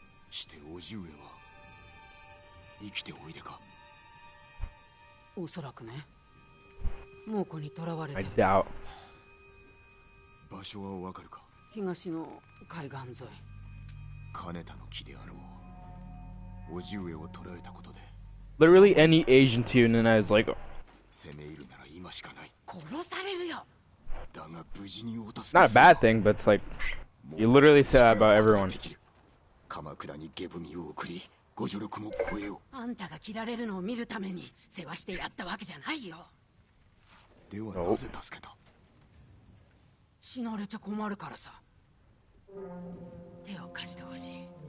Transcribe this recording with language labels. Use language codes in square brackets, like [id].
[ja] して叔父上は生きておいでか。おそらくね。猛虎に囚われて [en] る。I doubt。 [ja] 場所はわかるか。東の海岸沿い。金田の木であろう。叔父上を捕らえたことで。 [en] Literally any agent to you, and then I was like, [ja] 攻め入るなら今しかない。殺されるよ。だが無事に落とす。 [en] Not a bad thing, but it's like you literally say that about everyone. [ja] 鎌倉に下文を送り、ご助力も超えよ。あんたが切られるのを見るために世話してやったわけじゃないよ。ではなぜ助けた。死なれちゃ困るからさ。手を貸してほしい。